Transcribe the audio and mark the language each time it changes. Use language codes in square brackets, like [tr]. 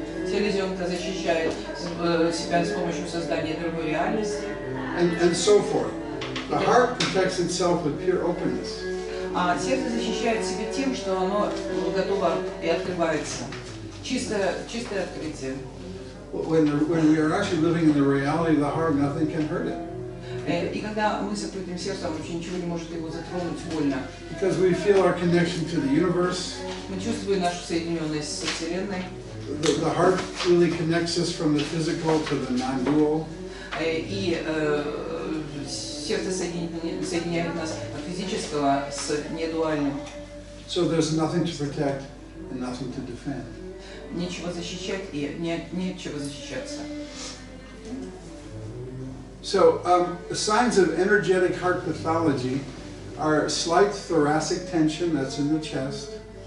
[ru] Селезенка защищает себя с помощью создания другой реальности. [en] And so forth. The heart protects itself with pure openness. [ru] Сердце защищает себя тем, что оно готово и открывается. Чистое открытие. [en] When we are actually living in the reality of the heart, nothing can hurt it. [ru] И когда мы с открытым сердцем, вообще ничего не может его затронуть больно. [en] Because we feel our connection to the universe. [ru] Мы чувствуем нашу соединенность со Вселенной. [en] The heart really connects us from the physical to the non-dual. [ru] И сердце соединяет нас от физического с недуальным. [en] So there's nothing to protect and nothing to defend. [ru] Нечего защищать и нечего защищаться. [en] So signs of energetic heart pathology are slight thoracic tension that's in the chest.